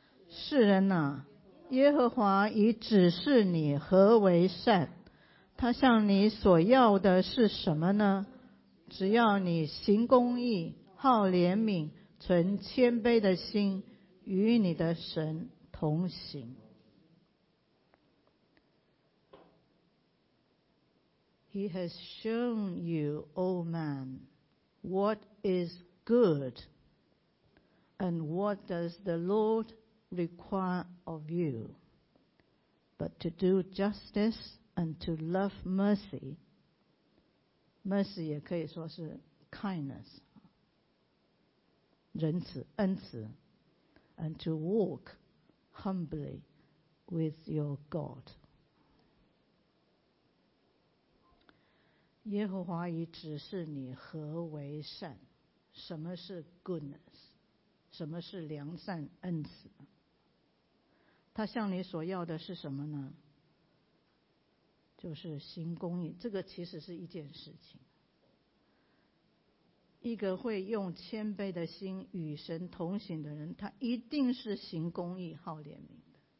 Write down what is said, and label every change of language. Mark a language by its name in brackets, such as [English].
[Chinese] 世人啊，耶和华已指示你何为善，他向你所要的是什么呢？只要你行公义，好怜悯，存谦卑的心，与你的神同行。 [English] He has shown you, O man, what is good, and what does the Lord require of you, but to do justice and to love mercy. Mercy [Chinese] 也可以说是 [English] kindness, [Chinese] 仁慈、恩慈 [English] and to walk humbly with your God. [Chinese] 耶和华已指示你何为善，什么是 goodness， 什么是良善恩慈，他向你所要的是什么呢？就是行公义。这个其实是一件事情，一个会用谦卑的心与神同行的人，他一定是行公义好怜悯的。